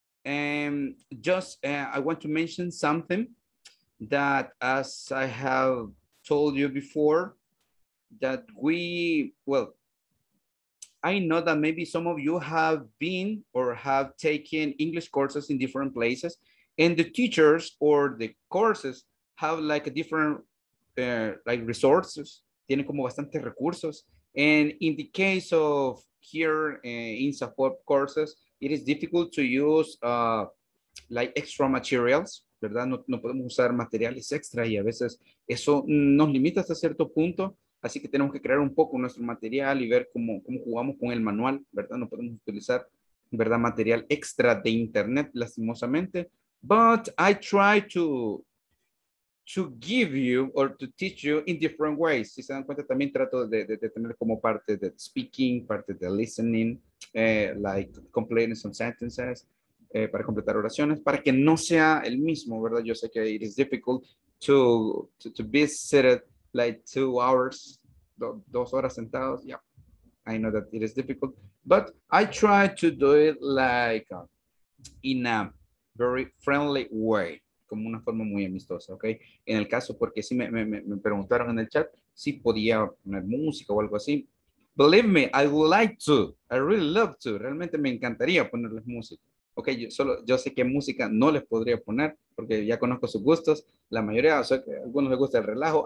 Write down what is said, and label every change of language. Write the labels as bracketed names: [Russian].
[English] And just I want to mention something that, as I have told you before, that we, well, I know that maybe some of you have been or have taken English courses in different places, and the teachers or the courses have like a different like resources, [Spanish] tienen como bastantes recursos. [English] And in the case of here in support courses, it is difficult to use like extra materials, ¿verdad? [Spanish] No podemos usar materiales extra, y a veces eso nos limita hasta cierto punto. Así que tenemos que crear un poco nuestro material y ver cómo jugamos con el manual, ¿verdad? No podemos utilizar, ¿verdad? Material extra de internet, lastimosamente. [English] But I try to give you or to teach you in different ways. [Spanish] Si se dan cuenta, también trato de tener como parte de speaking, parte de listening, [English] like completing some sentences, [Spanish] para completar oraciones, para que no sea el mismo, ¿verdad? Yo sé que [English] it is difficult to be seated like 2 hours, [Spanish] dos horas sentados. [English] Yeah, I know that it is difficult, but I try to do it like in a very friendly way, [Spanish] como una forma muy amistosa, [English] okay? [Spanish] En el caso, porque si me preguntaron en el chat si podía poner música o algo así. [English] Believe me, I would like to. I really love to. [Spanish] Realmente me encantaría ponerles música. Okay, yo sé que música no les podría poner porque ya conozco sus gustos. La mayoría, o sea, que a algunos les gusta el relajo.